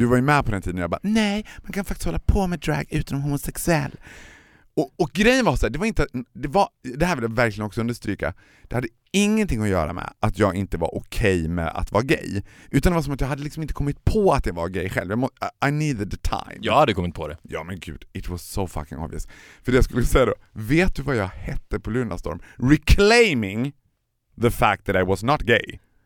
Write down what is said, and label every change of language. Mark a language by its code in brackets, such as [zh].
[sv] Du var ju med på den tiden, och jag bara, nej, man kan faktiskt hålla på med drag utan att vara homosexuell. Och grejen var så här, det här vill jag verkligen också understryka. Det hade ingenting att göra med att jag inte var okej med att vara gay. Utan det var som att jag hade liksom inte kommit på att jag var gay själv. [en] I needed the time. [sv] Jag hade kommit på det. Ja, men gud, [en] it was so fucking obvious. [sv] För det jag skulle säga då, vet du vad jag hette på Lunarstorm? [en] Reclaiming the fact that I was not gay.